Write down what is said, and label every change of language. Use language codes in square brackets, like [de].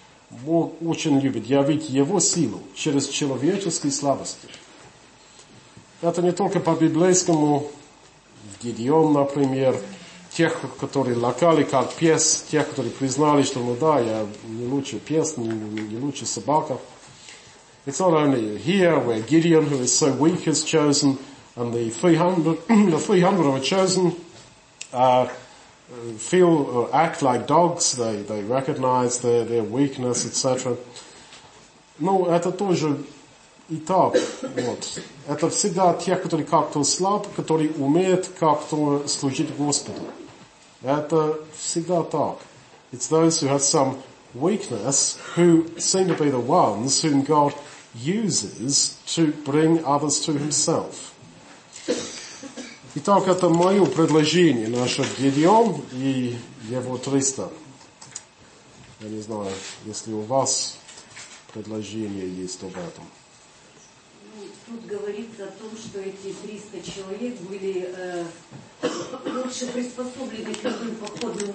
[ru] Бог очень любит явить его силу через человеческие слабости. Это не только по библейскому, Гедеон, например, тех, которые лакали как пес, тех, которые признали, что, ну да, я не лучше пес, не лучше собака. [en] It's not only here where Gideon, who is so weak, is chosen, and the 300, the 300 who are chosen, feel or act like dogs, they recognize their weakness, etc. [ru] Ну, это тоже и так, вот. Это всегда те, которые как-то слаб, которые умеют как-то служить Господу. Это всегда так. [en] It's those who have some weakness who seem to be the ones whom God uses to bring others to himself. [ru] Итак, это мое предложение наших Гедеон и его 300. Я не знаю, если у вас предложение есть об этом. Тут говорится о том, что эти 300 человек были лучше приспособлены к любым походным условиям.